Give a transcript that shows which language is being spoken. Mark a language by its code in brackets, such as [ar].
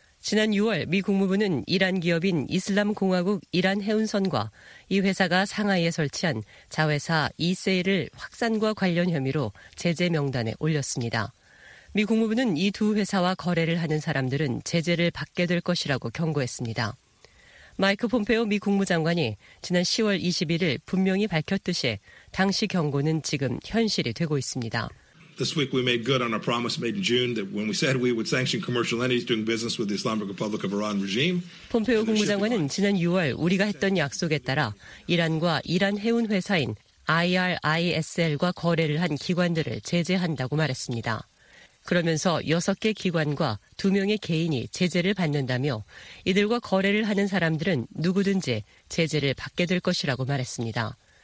[ko] 지난 6월 미 국무부는 이란 기업인 이슬람공화국 이란 해운선과 이 회사가 상하이에 설치한 자회사 이세일을 확산과 관련 혐의로 제재 명단에 올렸습니다. 미 국무부는 이 두 회사와 거래를 하는 사람들은 제재를 받게 될 것이라고 경고했습니다. 마이크 폼페오 미 국무장관이 지난 10월 21일 분명히 밝혔듯이 당시 경고는 지금 현실이 되고 있습니다. [en] This week we made good on our promise made in June that when we said we would sanction commercial entities doing business with the Islamic Republic of Iran regime. [ko] 폼페오 국무장관은 지난 6월 우리가 했던 약속에 따라 이란과 이란 해운 회사인 IRISL과 거래를 한 기관들을 제재한다고 말했습니다. 그러면서 6개 기관과 2명의 개인이 제재를 받는다며 이들과 거래를 하는 사람들은 누구든지 제재를 받게 될 것이라고 말했습니다.